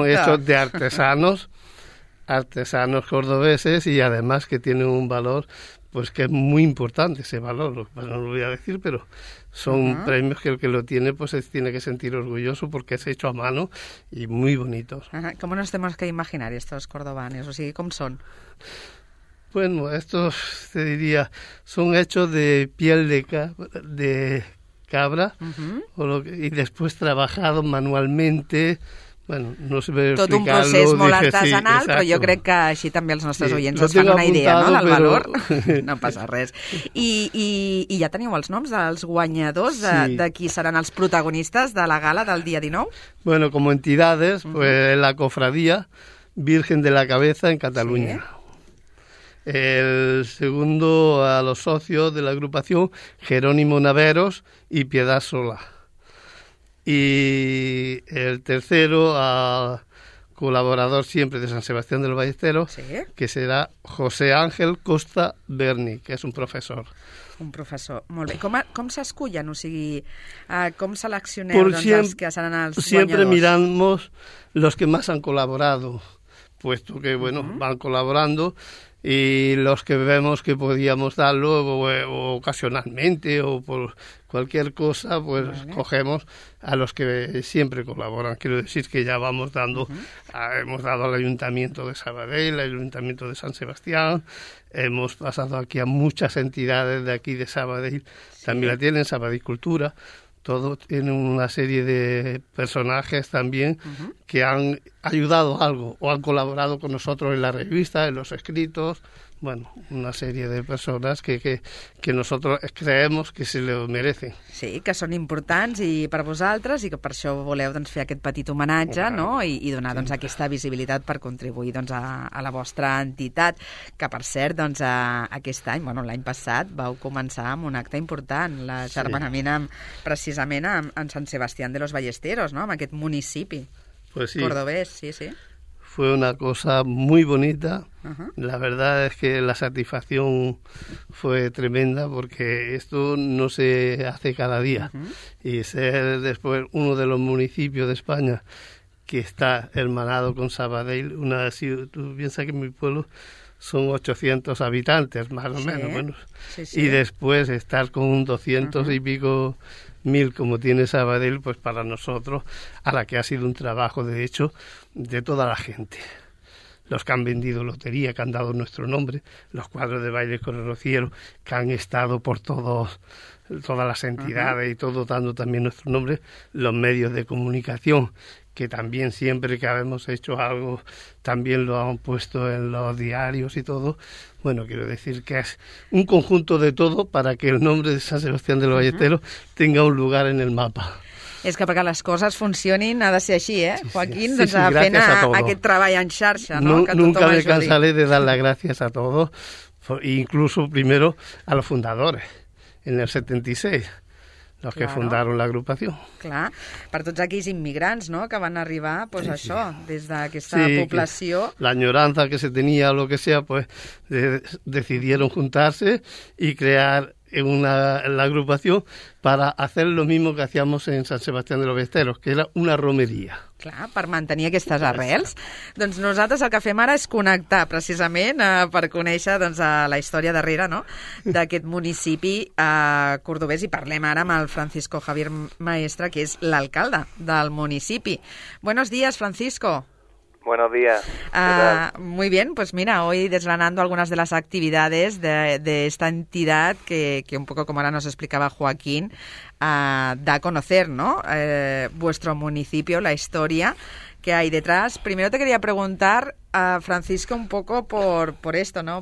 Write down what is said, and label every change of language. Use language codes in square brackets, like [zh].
[es] Son hechos de artesanos cordobeses, y además que tienen un valor, pues que es muy importante ese valor, bueno, no lo voy a decir, pero son premios que el que lo tiene pues se tiene que sentir orgulloso porque es hecho a mano y muy bonitos. ¿Cómo nos tenemos que imaginar estos cordobanes? O sea, ¿cómo son? Bueno, estos, te diría, son hechos de piel de cabra y después trabajados manualmente. Bueno, no sé explicarlo. [ca] Tot un procés molt artesanal, però jo crec que així també els nostres oients es fan una idea, no?, del valor. No passa res. I ja teniu els noms dels guanyadors, de qui seran els protagonistes de la gala del dia 19? [es] Bueno, como entidades, pues la cofradía Virgen de la Cabeza en Cataluña. El segundo, a los socios de la agrupación, Jerónimo Naveros y Piedad Sola. Y el tercero, al colaborador siempre de San Sebastián de los Ballesteros, que será José Ángel Costa Berni, que es un profesor. [ca] Un professor, molt bé. Com s'escullen? O sigui, com seleccioneu doncs, els que seran els guanyadors? [es] Siempre miramos los que más han colaborado, puesto que, bueno, van colaborando. Y los que vemos que podíamos darlo o ocasionalmente o por cualquier cosa, pues vale, cogemos a los que siempre colaboran. Quiero decir que ya vamos dando, hemos dado al Ayuntamiento de Sabadell, al Ayuntamiento de San Sebastián, hemos pasado aquí a muchas entidades de aquí de Sabadell, también la tienen, Sabadell Cultura, todo tiene una serie de personajes también que han ayudado algo o han colaborado con nosotros en la revista, en los escritos. Bueno, una serie de personas que nosotros creemos que se lo merecen. [ca] Sí, que són importants i per vosaltres i que per això voleu doncs, fer aquest petit homenatge no? I donar doncs, aquesta visibilitat per contribuir doncs, a la vostra entitat, que per cert, doncs, aquest any, bueno, l'any passat, vau començar amb un acte important, l'agermanament precisament amb Sant Sebastián de los Ballesteros, no? Amb aquest municipi [es] pues sí. Cordobés, sí, sí. Fue una cosa muy bonita. La verdad es que la satisfacción fue tremenda porque esto no se hace cada día. Y ser después uno de los municipios de España que está hermanado con Sabadell, una, si tú piensas que en mi pueblo son 800 habitantes, más o menos. Bueno, y después estar con un 200 y pico mil como tiene Sabadell, pues para nosotros, a la que ha sido un trabajo, de hecho, de toda la gente. Los que han vendido lotería, que han dado nuestro nombre, los cuadros de baile con el rociero, que han estado por todas las entidades y todo dando también nuestro nombre, los medios de comunicación, que también siempre que habemos hecho algo, también lo han puesto en los diarios y todo. Bueno, quiero decir que es un conjunto de todo para que el nombre de San Sebastián de los Ballesteros tenga un lugar en el mapa. [ca] És que perquè les coses funcionin ha de ser així, eh? Sí, Joaquín, sí, doncs, sí, fent aquest treball en xarxa, no? [es] Nunca me cansaré de dar las gracias a todos, incluso primero a los fundadores, en el 76, los que fundaron la agrupación. [ca] Clar, per tots aquells immigrants, no?, que van arribar, [es] pues sí, [ca] això, des d'aquesta població. [es] Sí, la añoranza que se tenía, lo que sea, pues decidieron juntarse y crear la agrupación para hacer lo mismo que hacíamos en San Sebastián de los Ballesteros, que era una romería. [ca] Clar, per mantenir aquestes arrels. Doncs nosaltres el que fem ara és connectar precisament per conèixer doncs, la història darrere no? d'aquest municipi cordobès i parlem ara amb el Francisco Javier Maestra, que és l'alcalde del municipi. [es] Buenos días, Francisco. Buenos días. Muy bien, pues mira, hoy desgranando algunas de las actividades de esta entidad que un poco como ahora nos explicaba Joaquín, da a conocer, ¿no? Vuestro municipio, la historia que hay detrás. Primero te quería preguntar, Francisco, un poco por esto, ¿no?